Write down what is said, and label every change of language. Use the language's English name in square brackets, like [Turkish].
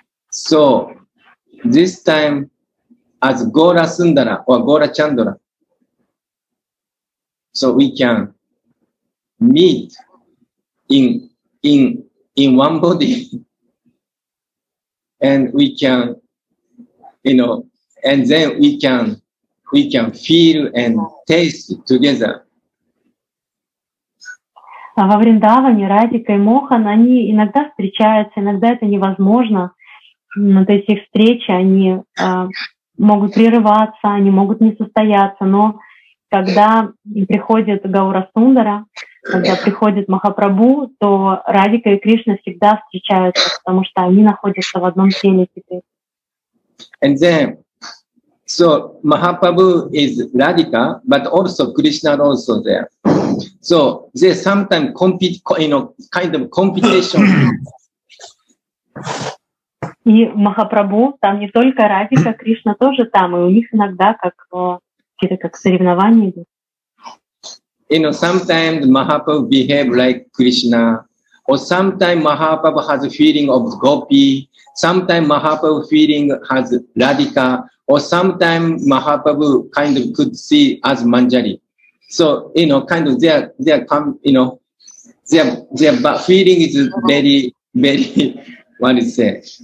[English] So this time, as Gora Sundara or Gora Chandra, so we can meet in one body, and we can, you know, and then we can feel and taste together. [Russian] Во Вриндаване Радика и Мохан, они иногда встречаются, иногда это невозможно. Но то есть их встречи, они могут прерываться, они могут не состояться. Но когда приходит Гаура Сундара, когда приходит Махапрабху, то Радика и Кришна всегда встречаются, потому что они находятся в одном теле теперь. [English] And then, so Mahaprabhu is Radhika, but also Krishna also there. So they sometimes compete, you know, kind of competition. [Russian] И Махапрабху там не только Радика, Кришна тоже там, и у них иногда как соревнования идут. [English] You know, sometimes Mahaprabhu behave like Krishna, or sometimes Mahaprabhu has a feeling of Gopi, sometimes Mahaprabhu feeling has Radhika, or sometimes Mahaprabhu kind of could see as Manjari. So, you know, kind of they are come, you know, they are, but feeling is very, very, what is it?